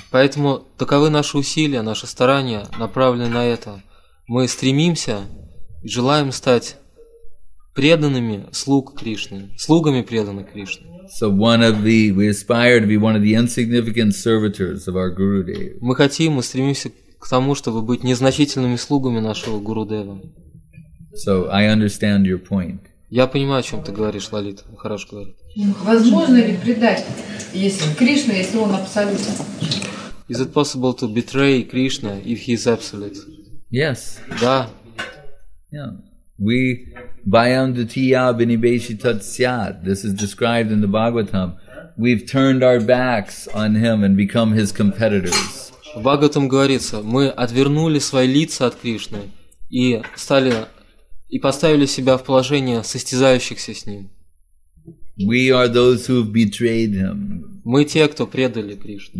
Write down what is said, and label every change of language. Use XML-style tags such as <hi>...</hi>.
<ru>Поэтому таковы наши усилия, наши старания направлены на это. Мы стремимся и желаем стать преданными слуг Кришны, слугами преданных Кришны.</ru> <en>So one of the we aspire to be one of the insignificant servitors of our Guru Dev.</en> <ru>Мы хотим, мы стремимся к тому, чтобы быть незначительными слугами нашего Гуру Дева.</ru> <en>So I understand your point.</en> <ru>Я понимаю, о чем ты говоришь, Лалит. Хорошо говорит. Возможно ли предать, если Кришна, если он абсолют?</ru> <en>Is it possible to betray Krishna if he is absolute? Yes.</en> <ru>Да.</ru> <sa>Yeah. We bayam dutiya binibeshi tat syat.</sa> <en>This is described in the Bhagavatam. We've turned our backs on him and become his competitors.</en> <ru>В Бхагаватам говорится, мы отвернули свои лица от Кришны и стали и поставили себя в положение состязающихся с ним.</ru> <en>We are those who have betrayed him.</en> <ru>Мы те, кто предали Кришну.</ru>